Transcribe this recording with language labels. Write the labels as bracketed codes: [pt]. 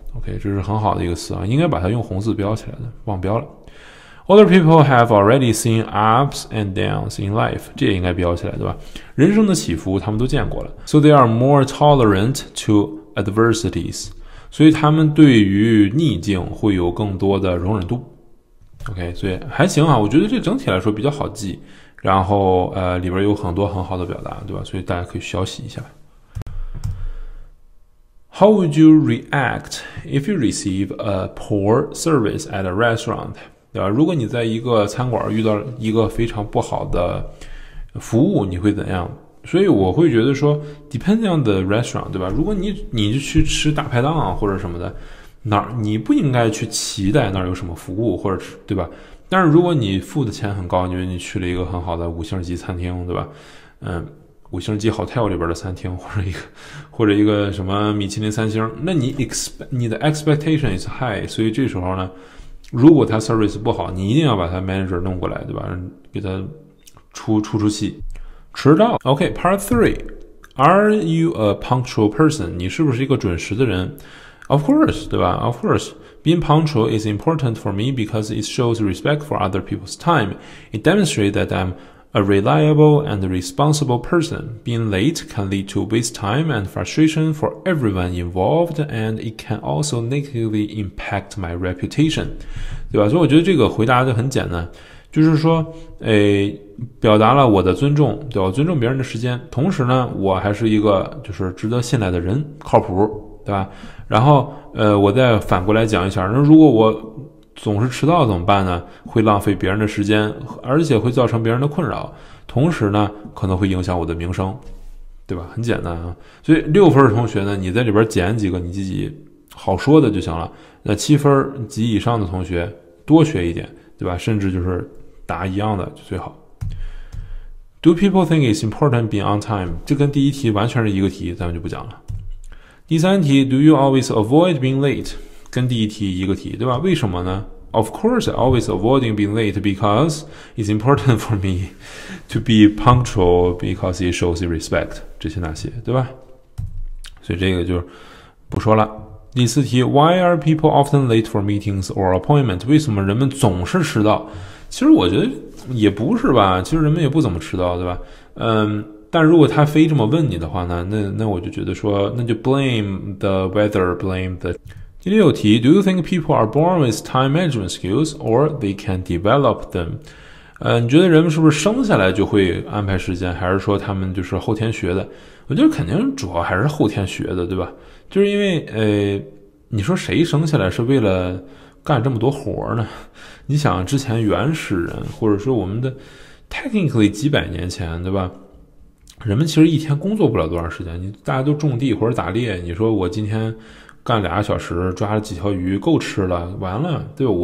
[zh] OK， 这是很好的一个词啊，应该把它用红字标起来的，忘标了。 [en] Other people have already seen ups and downs in life. [zh] 这也应该标起来，对吧？人生的起伏他们都见过了。 [en] So they are more tolerant to adversities. [zh] 所以他们对于逆境会有更多的容忍度。 OK, 所以还行啊，我觉得这整体来说比较好记。然后里边有很多很好的表达，对吧？所以大家可以学习一下。 [en] How would you react if you receive a poor service at a restaurant? [zh] 对吧？如果你在一个餐馆遇到一个非常不好的服务，你会怎样？所以我会觉得说 ， [en] depending on the restaurant， [zh] 对吧？如果你就去吃大排档啊或者什么的，哪你不应该去期待那儿有什么服务，或者对吧？但是如果你付的钱很高，你去了一个很好的五星级餐厅，对吧？五星级 hotel 里边的餐厅，或者一个什么米其林三星，那你的 [en] expectation is high， [zh] 所以这时候呢？如果他 service 不好，你一定要把他 manager 弄过来，对吧？给他出气。迟到。 [en] OK, part three. Are you a punctual person? [zh] 你是不是一个准时的人？ [en] Of course, [zh] 对吧？ [en] Of course. Being punctual is important for me because it shows respect for other people's time. It demonstrates that I'm a reliable and responsible person. Being late can lead to waste time and frustration for everyone involved, and it can also negatively impact my reputation. [zh] 对吧？所以我觉得这个回答就很简单，就是说，表达了我的尊重，对吧？尊重别人的时间，同时呢，我还是一个就是值得信赖的人，靠谱，对吧？然后我再反过来讲一下，那如果我总是迟到怎么办呢？会浪费别人的时间，而且会造成别人的困扰，同时呢可能会影响我的名声，对吧？很简单啊。所以六分的同学呢，你在里边捡几个你自己好说的就行了。那七分及以上的同学多学一点，对吧？甚至就是答一样的就最好。 [en] Do people think it's important being on time? [zh] 这跟第一题完全是一个题，咱们就不讲了。第三题 , [en] Do you always avoid being late? [zh] 跟第一题一个题，对吧？为什么呢？ [en] Of course, I always avoiding being late because it's important for me to be punctual because it shows respect. [zh] 这些那些，对吧？所以这个就不说了。第四题 [en] ,Why are people often late for meetings or appointments? [zh] 为什么人们总是迟到？其实我觉得也不是吧，其实人们也不怎么迟到，对吧？嗯，但如果他非这么问你的话呢，那我就觉得说，那就 [en] blame the weather, blame the... [zh] 第六题 [en] ,Do you think people are born with time management skills or they can develop them? [zh] 你觉得人们是不是生下来就会安排时间，还是说他们就是后天学的？我觉得肯定主要还是后天学的，对吧？就是因为你说谁生下来是为了干这么多活呢？你想之前原始人或者说我们的 technically 几百年前，对吧，人们其实一天工作不了多长时间，你大家都种地或者打猎，你说我今天干俩小时抓了几条鱼够吃了，完了，对吧？